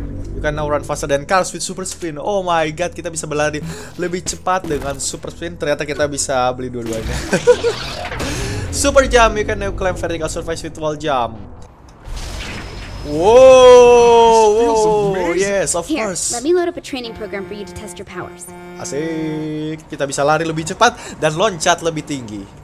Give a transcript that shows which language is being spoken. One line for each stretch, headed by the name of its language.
English: You can now run faster than cars with super spin. Oh my god,
Indonesian: kita bisa berlari lebih cepat dengan super spin. Ternyata kita bisa beli dua-duanya.
English: Super jump, you can now climb vertical surface with wall jump. Wow, yes, of course. Here, let me load up a training program for you to test your powers.
Indonesian: Asik, kita bisa lari lebih cepat dan loncat lebih tinggi.